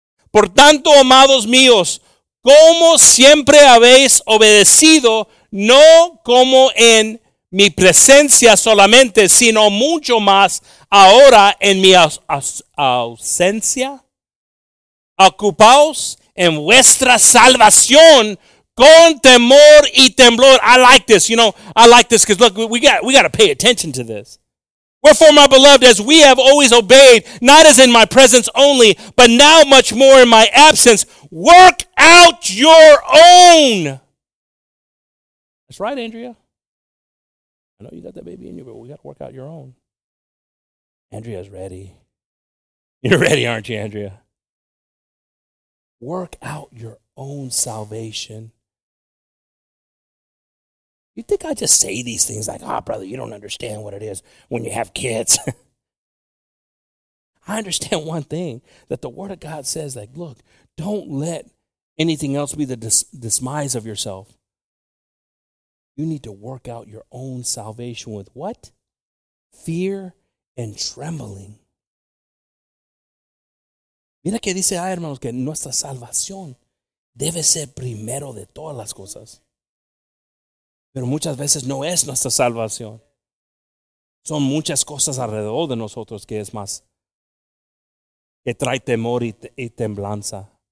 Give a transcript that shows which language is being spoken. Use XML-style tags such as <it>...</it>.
<es>Por tanto, amados míos, como siempre habéis obedecido, no como en mi presencia solamente, sino mucho más ahora en mi ausencia. Ocupaos en vuestra salvación con temor y temblor.</es> <en>I like this, you know, I like this because look, we got to pay attention to this. Wherefore, my beloved, as we have always obeyed, not as in my presence only, but now much more in my absence, work out your own. That's right, Andrea. I know you got that baby in you, but we got to work out your own. Andrea's ready. You're ready, aren't you, Andrea? Work out your own salvation. You think I just say these things like, ah, oh, brother, you don't understand what it is when you have kids. I understand one thing, that the Word of God says, like, look, don't let anything else be the demise of yourself. You need to work out your own salvation with what? Fear and trembling.</en> <es>Mira que dice, ay, hermanos, que nuestra salvación debe ser primero de todas las cosas. Pero muchas veces no es nuestra salvación. Son muchas cosas alrededor de nosotros que es más, que trae temor y temblanza.</es>